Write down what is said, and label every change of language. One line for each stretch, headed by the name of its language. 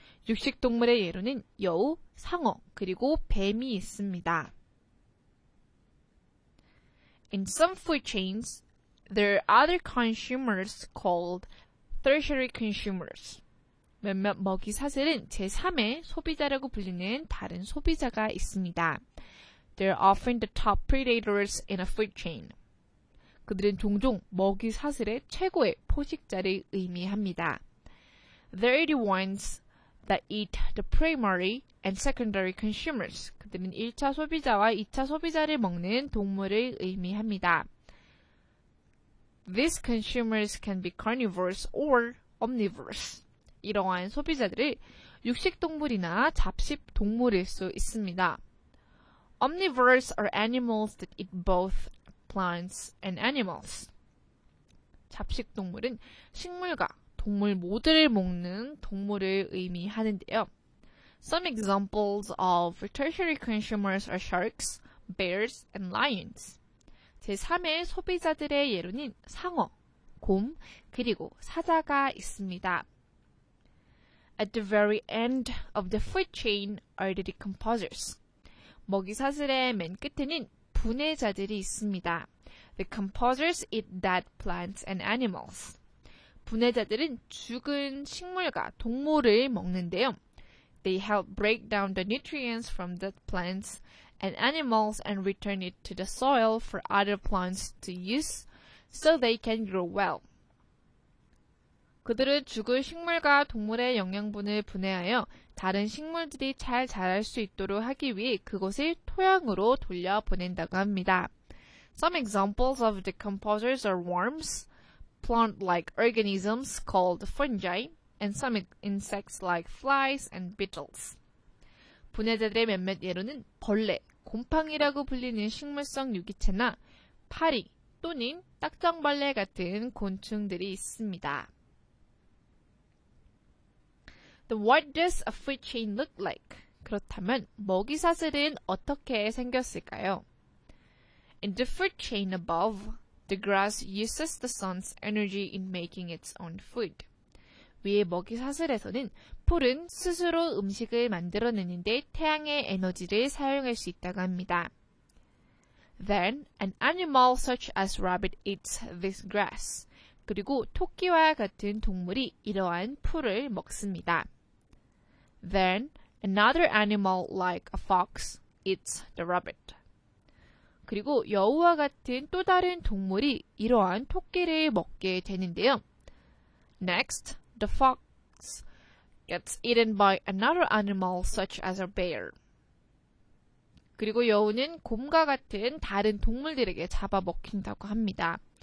Korean: 육식 동물의 예로는 여우, 상어, 그리고 뱀이 있습니다.
English: In some food chains, there are other consumers called tertiary consumers.
Korean: 몇몇 먹이사슬은 제3의 소비자라고 불리는 다른 소비자가 있습니다.
English: They're often the top predators in a food chain.
Korean: 그들은 종종 먹이사슬의 최고의 포식자를 의미합니다.
English: They're the ones that eat the primary and secondary consumers.
Korean: 그들은 1차 소비자와 2차 소비자를 먹는 동물을 의미합니다.
English: These consumers can be carnivores or omnivores.
Korean: 이러한 소비자들을 육식동물이나 잡식동물일 수 있습니다.
English: Omnivores are animals that eat both plants and animals.
Korean: 잡식동물은 식물과 동물 모두를 먹는 동물을 의미하는데요.
English: Some examples of tertiary consumers are sharks, bears, and lions.
Korean: 제3의 소비자들의 예로는 상어, 곰, 그리고 사자가 있습니다.
English: At the very end of the food chain are the decomposers.
Korean: 먹이 사슬의 맨 끝에는 분해자들이 있습니다.
English: The composers eat dead plants and animals.
Korean: 분해자들은 죽은 식물과 동물을 먹는데요.
English: They help break down the nutrients from dead plants and animals and return it to the soil for other plants to use so they can grow well.
Korean: 그들은 죽은 식물과 동물의 영양분을 분해하여 다른 식물들이 잘 자랄 수 있도록 하기 위해 그곳을 토양으로 돌려보낸다고 합니다.
English: Some examples of decomposers are worms, plant-like organisms called fungi, and some insects like flies and beetles.
Korean: 분해자들의 몇몇 예로는 벌레, 곰팡이라고 불리는 식물성 유기체나 파리 또는 딱정벌레 같은 곤충들이 있습니다.
English: Then what does a food chain look like?
Korean: 그렇다면 먹이 사슬은 어떻게 생겼을까요?
English: In the food chain above, the grass uses the sun's energy in making its own food.
Korean: 위에 먹이 사슬에서는 풀은 스스로 음식을 만들어내는데 태양의 에너지를 사용할 수 있다고 합니다.
English: Then, an animal such as rabbit eats this grass.
Korean: 그리고 토끼와 같은 동물이 이러한 풀을 먹습니다.
English: Then, another animal like a fox eats the rabbit.
Korean: 그리고 여우와 같은 또 다른 동물이 이러한 토끼를 먹게 되는데요.
English: Next, the fox gets eaten by another animal such as a bear.
Korean: 그리고 여우는 곰과 같은 다른 동물들에게 잡아먹힌다고 합니다.